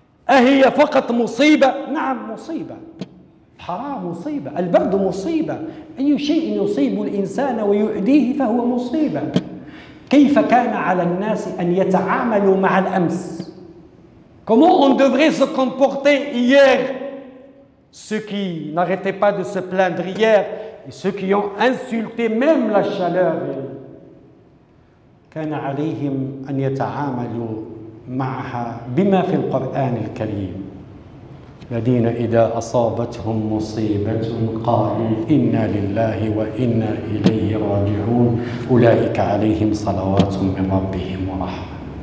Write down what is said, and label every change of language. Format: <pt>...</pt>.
<ar>أهي فقط مصيبة؟ نعم مصيبة، الحرارة مصيبة، البرد مصيبة، أي شيء يصيب الإنسان ويؤذيه فهو مصيبة. كيف كان على الناس أن يتعاملوا مع الأمس؟</ar> <fr>Comment on devrait se comporter hier? Ceux qui n'arrêtaient pas de se plaindre hier et ceux qui ont insulté même la chaleur.</fr> <ar>كان عليهم أن يتعاملوا معها بما في القرآن الكريم، الذين إذا أصابتهم مصيبة قالوا إنا لله وإنا إليه راجعون أولئك عليهم صلوات من ربهم ورحمة.</ar>